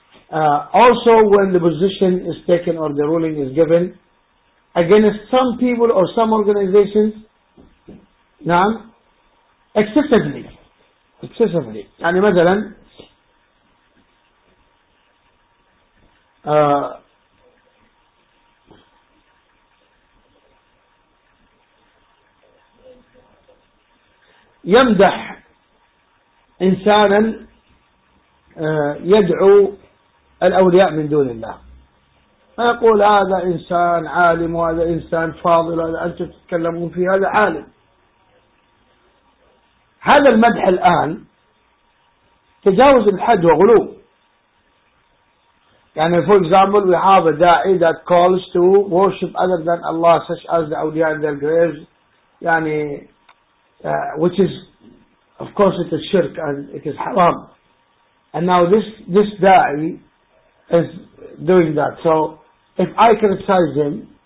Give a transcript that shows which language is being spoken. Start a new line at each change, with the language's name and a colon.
English: Also when the position is taken or the ruling is given against some people or some organizations.
Arabic: نعم.
English: Excessively.
Arabic: يعني مثلا يمدح إنسانا يدعو الأولياء من دون الله، يقول هذا إنسان عالم وهذا إنسان فاضل، هذا أنت تتكلمون فيه هذا عالم. هذا المدح الآن تجاوز الحد وغلو.
English: يعني for example we have a da'i that calls to worship other than Allah such as the awliya and their graves. يعني which is of course it is shirk and it is haram. And now this da'i is doing that. So if I criticize him